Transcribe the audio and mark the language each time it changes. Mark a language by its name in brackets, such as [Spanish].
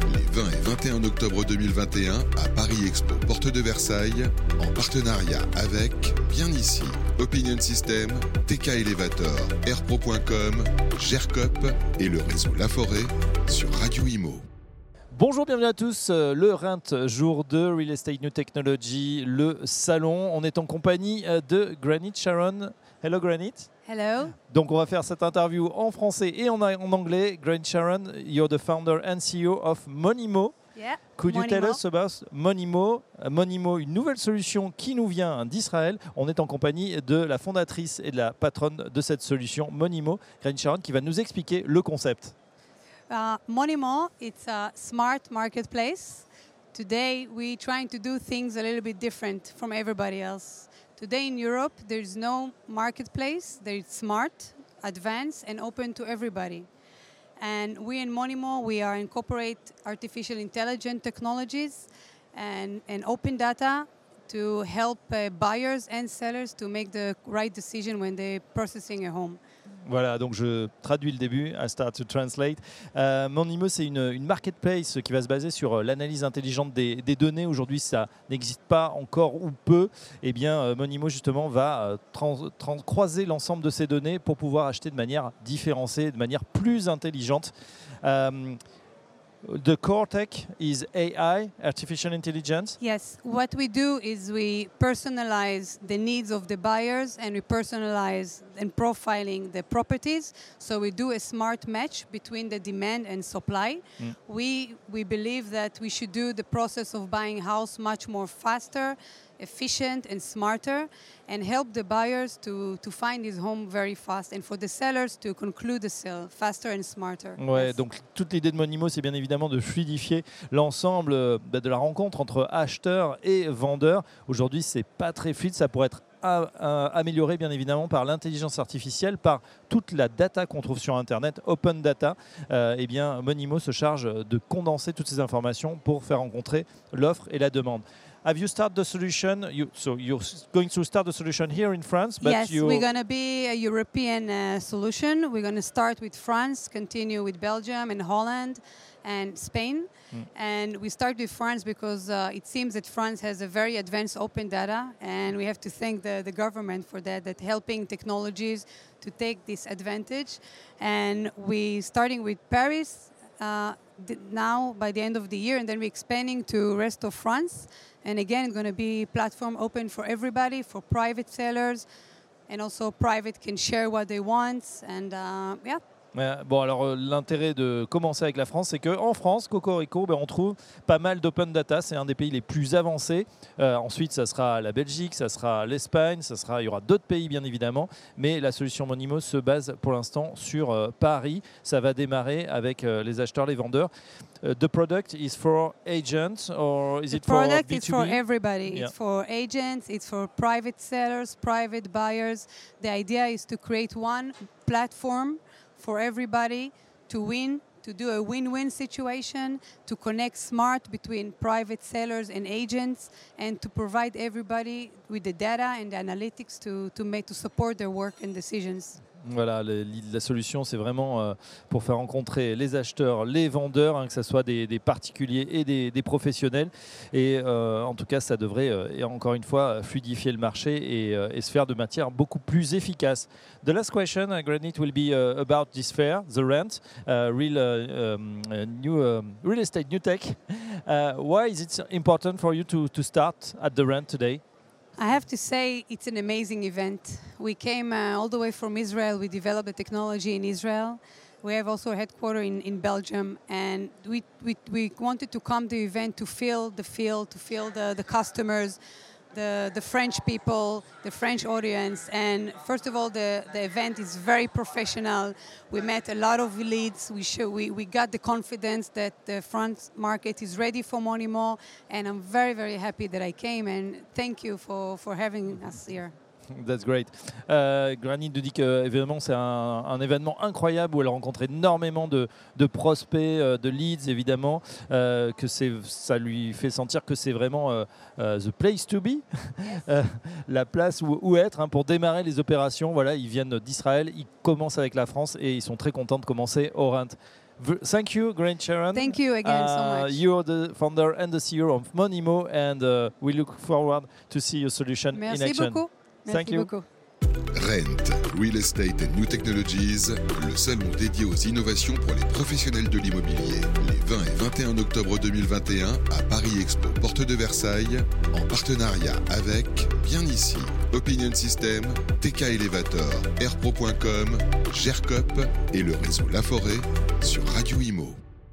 [French] Les 20 et 21 octobre 2021 à Paris Expo, Porte de Versailles, en partenariat avec, bien ici, Opinion System, TK Elevator, Airpro.com, Gercop et le réseau La Forêt sur Radio Immo. Bonjour, bienvenue à tous. Le Rent jour 2, Real Estate New Technology, le salon. On est en compagnie de Granite Sharon. Hello Granite. [English] Hello. [French] Donc on va faire cette interview en français et en anglais. [English] Granite Sharon, you're the founder and CEO of Monimo. Yeah. Could you tell us about Monimo? [French] Monimo, une nouvelle solution qui nous vient d'Israël. On est en compagnie de la fondatrice et de la patronne de cette solution, Monimo, Granite Sharon, qui va nous expliquer le concept. [English] Monimo, it's a smart marketplace. Today, we're trying to do things a little bit different from everybody else. Today in Europe, there's no marketplace that is smart, advanced, and open to everybody. And we in Monimo, we are incorporate artificial intelligence technologies and open data to help buyers and sellers to make the right decision when they're processing a home. [French] Voilà, donc je traduis le début, [English] I start to translate. [French] Monimo, c'est une marketplace qui va se baser sur l'analyse intelligente des données. Aujourd'hui, ça n'existe pas encore ou peu. Eh bien, Monimo, justement, va croiser l'ensemble de ces données pour pouvoir acheter de manière différenciée, de manière plus intelligente. [English] The core tech is AI, artificial intelligence. Yes, what we do is we personalize the needs of the buyers and we personalize and profiling the properties. So we do a smart match between the demand and supply. Mm. We believe that we should do the process of buying house much more faster, efficient and smarter, and help the buyers to find his home very fast and for the sellers to conclude the sale faster and smarter. Ouais, yes. [French] Donc toute l'idée de Monimo, c'est bien évidemment de fluidifier l'ensemble de la rencontre entre acheteur et vendeur. Aujourd'hui, c'est pas très fluide, ça pourrait être amélioré bien évidemment par l'intelligence artificielle, par toute la data qu'on trouve sur internet, open data. Eh bien, Monimo se charge de condenser toutes ces informations pour faire rencontrer l'offre et la demande. [English] Have you started the solution? You're going to start the solution here in France, but yes, we're going to be a European solution. We're going to start with France, continue with Belgium and Holland and Spain. Mm. And we start with France because it seems that France has a very advanced open data, and we have to thank the government for that helping technologies to take this advantage. And we starting with Paris now by the end of the year, and then we're expanding to rest of France. And again, it's going to be platform open for everybody, for private sellers, and also private can share what they want. And yeah. [French] Bon, alors l'intérêt de commencer avec la France, c'est qu'en France, Cocorico, ben, on trouve pas mal d'open data. C'est un des pays les plus avancés. Ensuite, ça sera la Belgique, ça sera l'Espagne, il y aura d'autres pays, bien évidemment. Mais la solution Monimo se base pour l'instant sur Paris. Ça va démarrer avec les acheteurs, les vendeurs. [English] The product is for agents or is it for B2B? The product is for everybody. Yeah. It's for agents, it's for private sellers, private buyers. The idea is to create one platform for everybody to win, to do a win-win situation, to connect smart between private sellers and agents, and to provide everybody with the data and the analytics to support their work and decisions. [French] Voilà, la solution, c'est vraiment pour faire rencontrer les acheteurs, les vendeurs, hein, que ce soit des particuliers et des professionnels. Et en tout cas, ça devrait, encore une fois, fluidifier le marché et se faire de matière beaucoup plus efficace. [English] The last question, Granite, will be about this fair, the rent, real estate, new tech. Why is it important for you to start at the rent today? I have to say it's an amazing event. We came all the way from Israel. We developed the technology in Israel. We have also a headquarter in Belgium. And we wanted to come to the event to feel the field, to feel the customers, the French people, the French audience. And first of all, the event is very professional. We met a lot of leads. We got the confidence that the France market is ready for Monimo. And I'm very, very happy that I came. And thank you for having us here. That's great. [French] Granit nous dit que évidemment c'est un événement incroyable où elle rencontre énormément de prospects, de leads évidemment, que c'est, ça lui fait sentir que c'est vraiment [English] the place to be, [French] la place où être pour démarrer les opérations. Voilà, ils viennent d'Israël, ils commencent avec la France et ils sont très contents de commencer Orient. [English] Thank you, Grant Sharon. Thank you again so much. You are the founder and the CEO of Monimo, and we look forward to see your solution [French] Merci [English] in action. [French] Beaucoup. Merci [English] Thank [French] beaucoup. [English] You. [French] Rent, Real Estate and New Technologies, le salon dédié aux innovations pour les professionnels de l'immobilier, les 20 et 21 octobre 2021 à Paris Expo, Porte de Versailles, en partenariat avec, bien ici, Opinion System, TK Elevator, Airpro.com, Gercop et le réseau La Forêt sur Radio Immo.